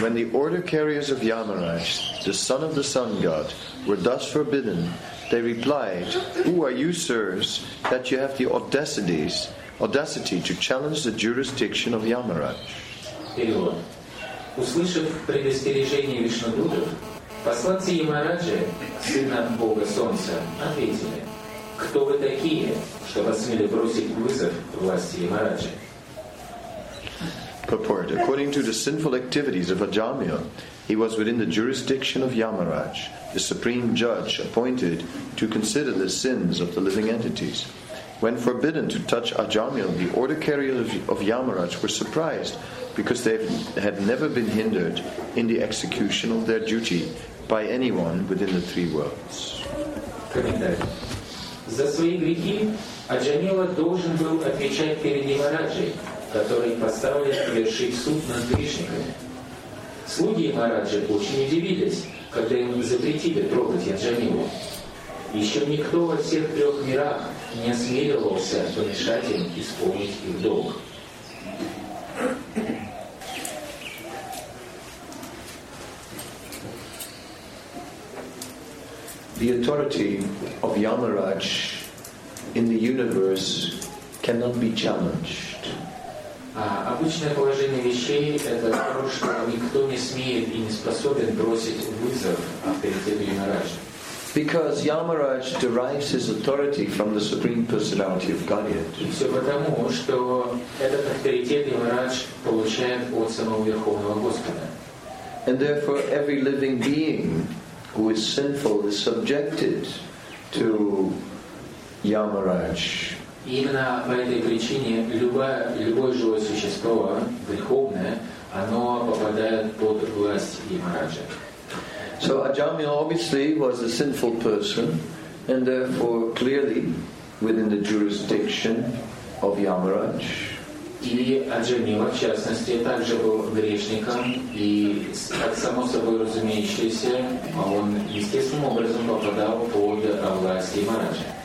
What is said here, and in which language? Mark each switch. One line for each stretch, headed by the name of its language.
English: When the order carriers of Yamaraj, the son of the sun god, were thus forbidden, they replied, "Who are you, sirs, that you have the audacity to challenge the jurisdiction of Yamaraj?"
Russian: Услышав предостережение Вишнудутов, посланцы Ямараджи, сына бога солнца, ответили, кто вы такие, чтобы смели бросить вызов власти Ямараджи?
English: Purport. According to the sinful activities of Ajamila, he was within the jurisdiction of Yamaraj, the supreme judge appointed to consider the sins of the living entities. When forbidden to touch Ajamila, the order carriers of Yamaraj were surprised because they had never been hindered in the execution of their duty by anyone within the three worlds.
Russian: За свои грехи Аджамила должен был отвечать перед Ямараджей, который поставлен совершить суд над грешниками. Слуги Ямараджи очень удивились, когда им запретили трогать Аджамилу. Еще никто во всех трех мирах не осмеливался помешать им исполнить их долг.
English: The authority of Yamaraj in the universe cannot be challenged.
Russian: Обычное положение вещей — это то, что никто не смеет и не способен бросить вызов авторитету Ямараджа.
English: Because Yamaraj derives his authority from the Supreme Personality of Godhead.
Russian: Все потому, что этот авторитет Ямарадж получает от самого Верховного Господа.
English: And therefore every living being who is sinful is subjected to Yamaraj.
Russian: Именно по этой причине любое живое существо, греховное, оно попадает под власть Ямараджа.
English: So Ajamila obviously was a sinful person, and therefore clearly within the jurisdiction of Yamaraj.
Russian: И Аджанила, в частности, также был грешником, и, как само собой разумеющееся, он естественным образом попадал под власть Ямараджи.